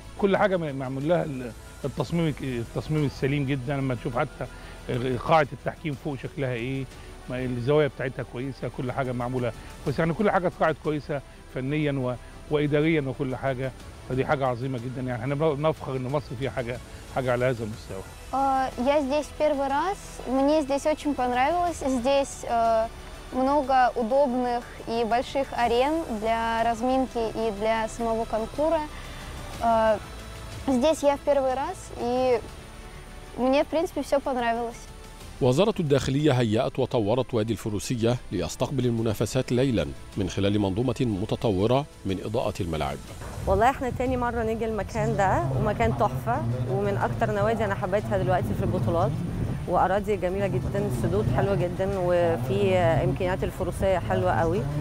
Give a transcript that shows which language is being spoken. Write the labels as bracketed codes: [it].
[ar] كل حاجة معمول لها التصميم السليم جدا، لما تشوف حتى قاعة التحكيم فوق شكلها ايه، ما الزوايا بتاعتها كويسة، كل حاجة معمولة، بس يعني كل حاجة قاعة كويسة فنيا وإداريا وكل حاجة، فدي حاجة عظيمة جدا، يعني احنا بنفخر ان مصر فيها حاجة على هذا المستوى. [ru] Я здесь первый раз. Мне здесь очень понравилось. Здесь много удобных и больших арен для разминки и для самого конкура. Здесь я в первый раз и мне, в принципе, все понравилось. [ar] وزارة الداخلية هيأت وطورت وادي الفروسية ليستقبل المنافسات ليلا من خلال منظومة متطورة من إضاءة الملاعب. والله احنا تاني مرة نيجي المكان ده، ومكان تحفة، ومن أكتر نوادي أنا حبيتها دلوقتي في البطولات، وأراضي جميلة جدا، سدود حلوة جدا، وفي إمكانيات الفروسية حلوة قوي.